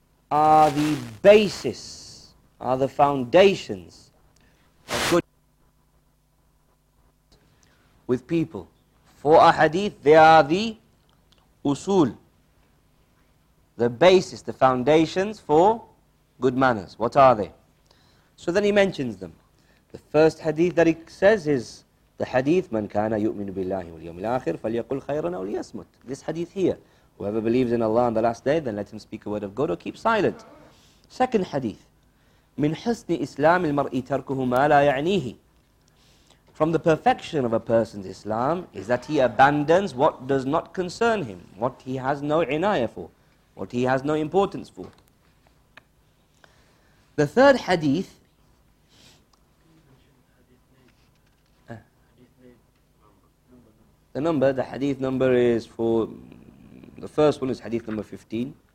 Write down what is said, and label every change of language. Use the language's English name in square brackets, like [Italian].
[English] are the basis, are the foundations of good with people. For a hadith, they are the usul, the basis, the foundations for good manners. What are they? So then he mentions them. The first hadith that he says is the hadith, [Arabic] من كان يؤمن بالله واليوم الآخر فليقل خيرنا وليسمت. [English] This hadith here. Whoever believes in Allah on the last day, then let him speak a word of good or keep silent. Second hadith, [Arabic] من حسن إسلام المرء تركه ما لا يعنيه. [English] From the perfection of a person's Islam is that he abandons what does not concern him, what he has no inayah for, what he has no importance for. The third hadith, the hadith number is for, the first one is hadith number 15.